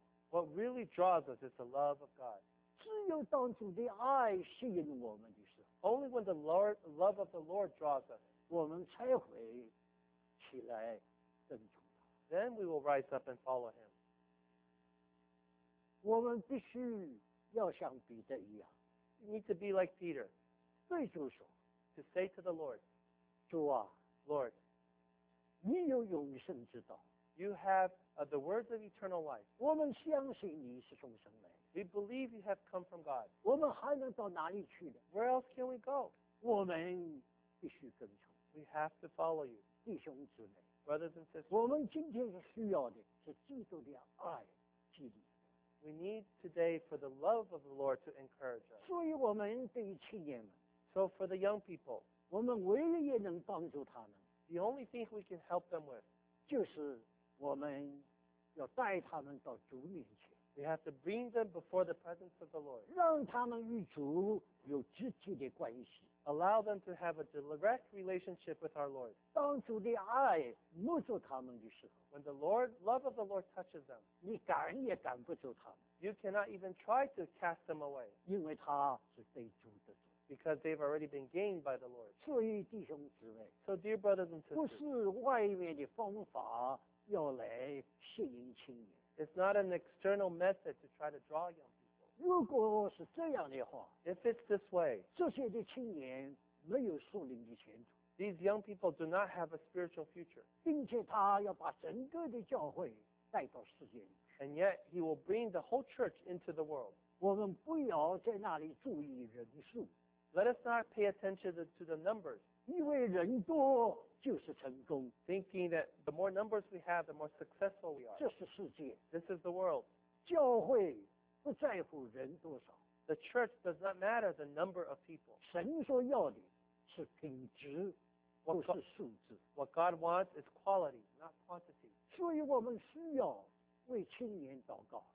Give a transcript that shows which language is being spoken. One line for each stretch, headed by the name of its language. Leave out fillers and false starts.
English: What really draws us is the love of God.
Chinese: 只有当主的爱吸引我们的时候,
English: only when the Lord, love of the Lord draws us,
Chinese: 我们才会起来跟从他。
English: Then we will rise up and follow him.
Chinese: 我们必须要像彼得一样。
English: You need to be like Peter.
Chinese: 对主说。
English: To say to the Lord.
Chinese: 主啊。
English: Lord.
Chinese: 你有永生之道。
English: You have the words of eternal life.
Chinese: 我们相信你是从神来的。
English: We believe you have come from God.
Chinese: 我们还能到哪里去呢？
English: Where else can we go?
Chinese: 我们必须跟从。
English: We have to follow you.
Chinese: 弟兄姊妹。
English: Brothers and sisters.
Chinese: 我们今天需要的是基督的爱激励。
English: We need today for the love of the Lord to encourage us.
Chinese: 所以我们对于青年们,
English: so for the young people,
Chinese: 我们唯一也能帮助他们,
English: the only thing we can help them with,
Chinese: 就是我们要带他们到主面前,
English: we have to bring them before the presence of the Lord,
Chinese: 让他们与主有直接的关系,
English: allow them to have a direct relationship with our Lord.
Chinese: 当主的爱摸住他们的时候,
English: when the Lord, love of the Lord touches them,
Chinese: 你赶也赶不住他们,
English: you cannot even try to cast them away,
Chinese: 因为他是被主的主,
English: because they've already been gained by the Lord.
Chinese: 所以弟兄姊妹,
English: so dear brothers and sisters,
Chinese: 不是外面的方法要来吸引青年,
English: it's not an external method to try to draw young people.
Chinese: 如果是这样的话,
English: if it's this way,
Chinese: 这些的青年没有属灵的前途,
English: these young people do not have a spiritual future.
Chinese: 并且他要把整个的教会带到世界里,
English: and yet he will bring the whole church into the world.
Chinese: 我们不要在那里注意人数,
English: let us not pay attention to the numbers.
Chinese: 因为人多就是成功,
English: thinking that the more numbers we have, the more successful we are.
Chinese: 这是世界,
English: this is the world.
Chinese: 教会不在乎人多少,
English: the church does not matter the number of people.
Chinese: 神说要的是品质, 不是数字。
English: What God wants is quality, not quantity.
Chinese: 所以我们需要为青年祷告。